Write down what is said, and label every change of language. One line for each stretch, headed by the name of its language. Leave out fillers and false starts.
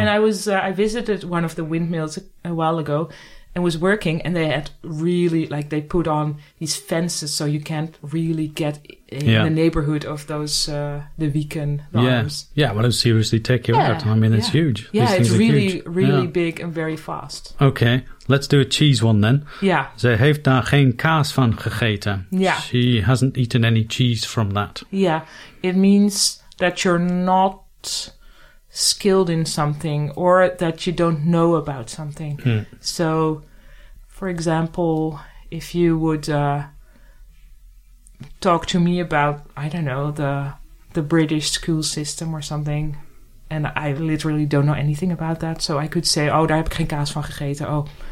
English: And I was, I visited one of the windmills a while ago and was working, and they had really, like, they put on these fences so you can't really get in the neighborhood of those, the weekend arms. Yeah, well, it'll seriously take you out. I mean, it's huge. Yeah, it's really, really big and very fast. Okay, let's do a cheese one then. Yeah.
Dutch: Ze heeft daar geen kaas van gegeten.
English: Yeah. She hasn't eaten any cheese from that. Yeah, it means that you're not skilled in something or that you don't know about something. Mm. So, for example, if you would talk to me about, I don't know, the British school system or something, and I literally don't know anything about that, so I could say, oh,
Dutch: daar heb ik geen kaas van gegeten.